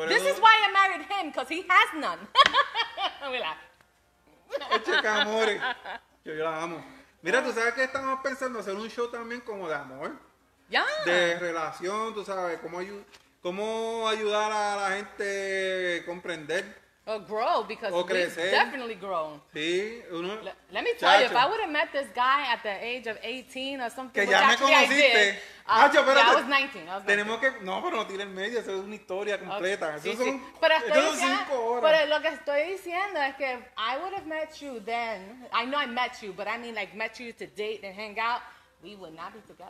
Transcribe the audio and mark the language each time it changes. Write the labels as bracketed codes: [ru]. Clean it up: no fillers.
[en] This is why I married him, because he has none. We laugh. [es] Chica, amore. Yo la amo. Mira, tú sabes que estamos pensando hacer un show también como de amor. [en] Yeah. [es] De relación, tú sabes, cómo, ayud- ¿Cómo ayudar a la gente a comprender? [en] Or grow, because we definitely grow. [es] Sí, uno, [en] let me tell you, if I would have met this guy at the age of 18 or something, que which actually I did. [es] Chacho, [en] yeah, I was 19. [es] Tenemos que, no, pero no tiene medio, eso es una historia completa. Okay. Sí, eso sí. Son, pero estoy diciendo, 5 horas. Pero lo que estoy diciendo es que [en] if I would have met you then, I know I met you, but I mean like met you to date and hang out, we would not be together.